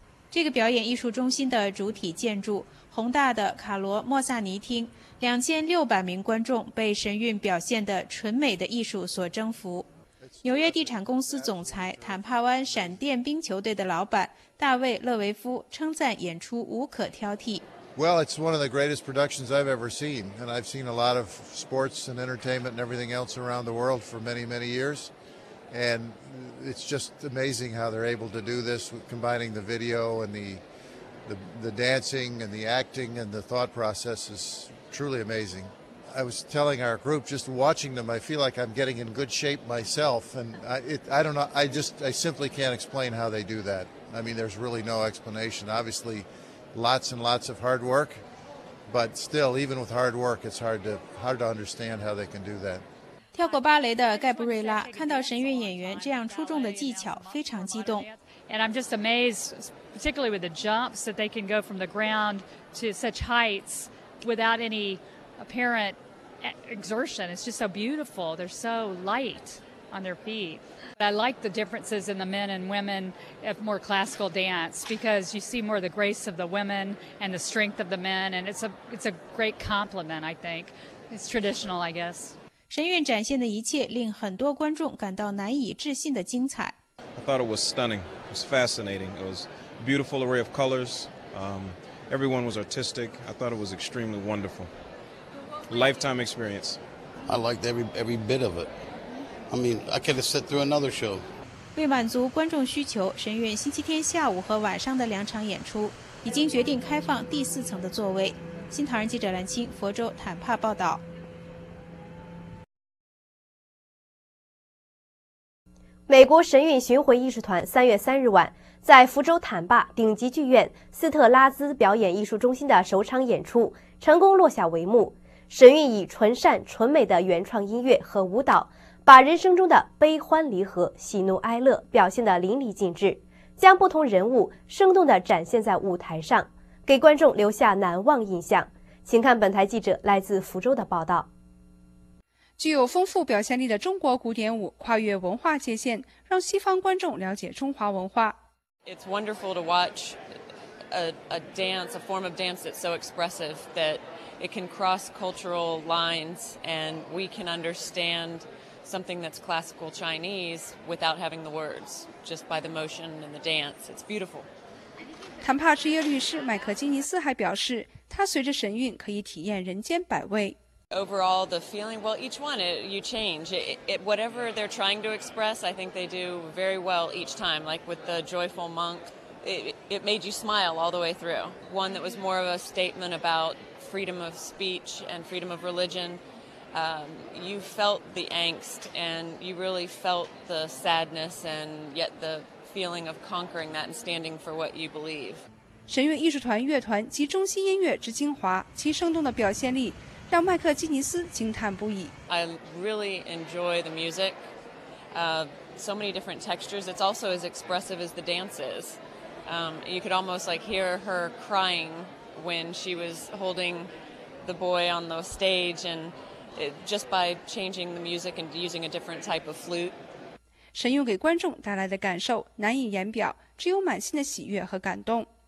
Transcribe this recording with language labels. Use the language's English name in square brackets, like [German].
[Chinese] 这个表演艺术中心的主体建筑，宏大的卡罗莫萨尼厅，2600名观众被神韵表现的纯美的艺术所征服。纽约地产公司总裁、坦帕湾闪电冰球队的老板大卫·勒维夫称赞演出无可挑剔。 [English] Well, it's one of the greatest productions I've ever seen, and I've seen a lot of sports and entertainment and everything else around the world for many, many years. And it's just amazing how they're able to do this, combining the video and the dancing and the acting and the thought process is truly amazing. I was telling our group, just watching them, I feel like I'm getting in good shape myself. And I simply can't explain how they do that. I mean, there's really no explanation. Obviously, lots and lots of hard work, but still, even with hard work, it's hard to understand how they can do that. [Chinese] 跳过芭蕾的盖布瑞拉看到神韵演员这样出众的技巧，非常激动。 [English] And I'm just amazed, particularly with the jumps that they can go from the ground to such heights without any apparent exertion. It's just so beautiful. They're so light on their feet. I like the differences in the men and women of more classical dance because you see more the grace of the women and the strength of the men, and it's a great compliment. I think it's traditional, I guess. [Chinese] 神韵展现的一切令很多观众感到难以置信的精彩。 [English] I thought it was stunning. It was fascinating. It was a beautiful array of colors. Everyone was artistic. I thought it was extremely wonderful. Lifetime experience. I liked every bit of it. I mean, I could have sat through another show. [Chinese] 为满足观众需求，神韵星期天下午和晚上的两场演出已经决定开放第四层的座位。新唐人记者蓝青，佛州坦帕报道。美国神韵巡回艺术团三月三日晚在佛州坦帕顶级剧院斯特拉兹表演艺术中心的首场演出成功落下帷幕。神韵以纯善纯美的原创音乐和舞蹈，把人生中的悲欢离合、喜怒哀乐表现得淋漓尽致，将不同人物生动地展现在舞台上，给观众留下难忘印象。请看本台记者来自佛州的报道。具有丰富表现力的中国古典舞跨越文化界限，让西方观众了解中华文化。 [English] It's wonderful to watch a dance, a form of dance that's so expressive that it can cross cultural lines and we can understand something that's classical Chinese without having the words, just by the motion and the dance. It's beautiful. [Chinese] 坦帕职业律师麦克金尼斯还表示，他随着神韵可以体验人间百味。 [English] Overall, the feeling, well, each one, you change. Whatever they're trying to express, I think they do very well each time. Like with the joyful monk, it made you smile all the way through. One that was more of a statement about freedom of speech and freedom of religion. You felt the angst and you really felt the sadness and yet the feeling of conquering that and standing for what you believe. [Chinese] 神韵艺术团乐团集中西音乐之精华，其生动的表现力让麦克基尼斯惊叹不已。 [English] I really enjoy the music. So many different textures. It's also as expressive as the dances. You could almost like hear her crying when she was holding the boy on the stage, and just by changing the music and using a different type of flute. [Chinese] 神韵给观众带来的感受难以言表，只有满心的喜悦和感动。